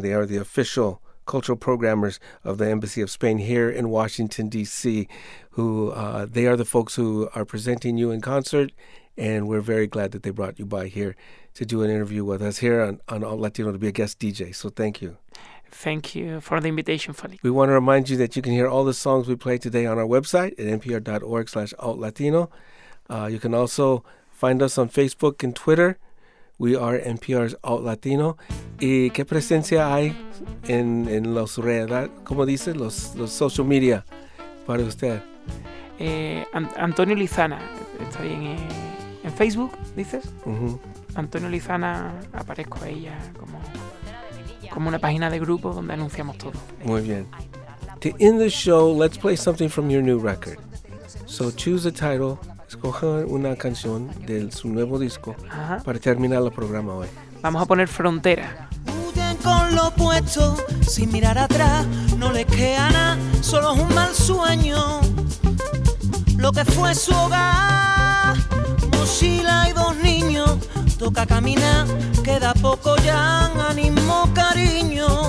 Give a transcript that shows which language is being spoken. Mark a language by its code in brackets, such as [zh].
[en] They are the official cultural programmers of the Embassy of Spain here in Washington, D.C., who they are the folks who are presenting you in concert, and we're very glad that they brought you by here to do an interview with us here on All Latino to be a guest DJ. So thank you. Thank you for the invitation, Felipe. We want to remind you that you can hear all the songs we play today on our website at npr.org/altlatino. You can also find us on Facebook and Twitter. We are NPR's Out Latino. [es] ¿Y qué presencia hay en los redes? ¿Cómo dice? Los [en] social media [es] para usted. Antonio Lizana. Está bien. En Facebook, dices. Uh-huh. Antonio Lizana, aparezco ahí ya como una página de grupo donde anunciamos todo. Muy bien. [en] To end the show, let's play something from your new record. So choose a title. [es] Escoja una canción de su nuevo disco. Ajá. Para terminar el programa hoy. Vamos a poner Frontera. Huyen con lo puesto, sin mirar atrás, no les queda nada, solo es un mal sueño. Lo que fue su hogar, mochila y dos niños, toca caminar, queda poco ya, ánimo, cariño.